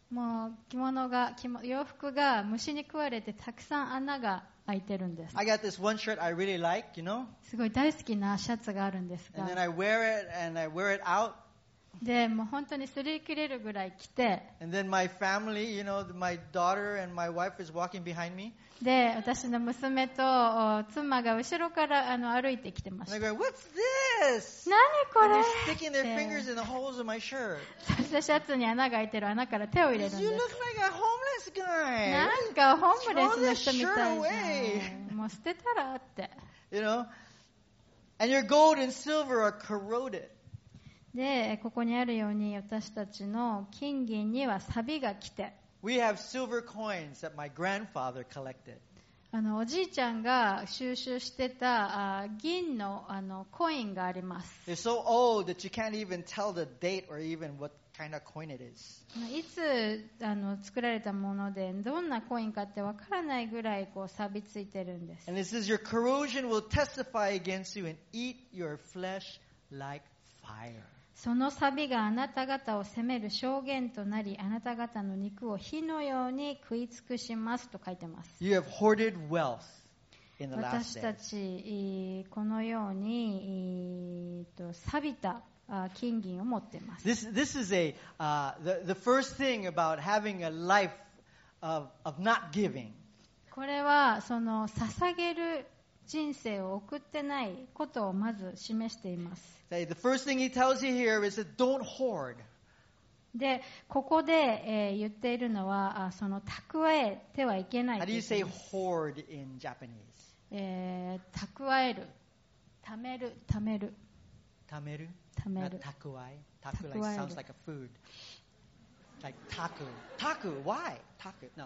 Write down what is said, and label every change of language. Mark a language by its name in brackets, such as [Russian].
[Japanese] もう着物が洋服が虫に食われてたくさん穴が開いてるんです。 [English] I got this one shirt I really like, you know? [Japanese] すごい大好きなシャツがあるんですが。 [English] And then I wear it and I wear it out. [Japanese] で、もう本当に擦り切れるぐらい着て。 [English] And then my family, you know, my daughter and my wife is walking behind me. [Japanese] で、私の娘と妻が後ろから歩いてきてました。 [English] And I go, what's this? [Japanese] 何これ？ [English] And they're sticking their fingers in the holes of my shirt. [Japanese] シャツに穴が開いてる穴から手を入れるんです。 [English] You look like a homeless guy. [Japanese] なんかホームレスの人みたいな。もう捨てたらって。 [English] You know? And your gold and silver are corroded. [Japanese] で、ここにあるように私たちの金銀にはサビが来て。 [English] We have silver coins that my grandfather collected. [Japanese] おじいちゃんが収集してた銀のコインがあります。 [English] They're so old that you can't even tell the date or even what kind of coin it is. [Japanese] いつ作られたものでどんなコインかってわからないぐらいこう錆びついてるんです。 [English] And this is your corrosion will testify against you and eat your flesh like fire. [Japanese] そのサビがあなた方を責める証言となり、あなた方の肉を火のように食い尽くしますと書いてます。 [English] You have hoarded wealth in the last days. [Japanese] 私たちこのように錆びた金銀を持っています。 [English] This is a the first thing about having a life of not giving. [Japanese] これはその捧げる人生を送ってないことをまず示しています。 [English] The first thing he tells you here is that don't hoard. [Japanese] で、ここで言っているのは、その蓄えてはいけない。 [English] How do you say hoard in Japanese? [Japanese] 蓄える、ためる、ためる。ためる？ためる。蓄え。蓄え。蓄え。 [English] Sounds like a food. Like taku. Taku. Why? Taku. No.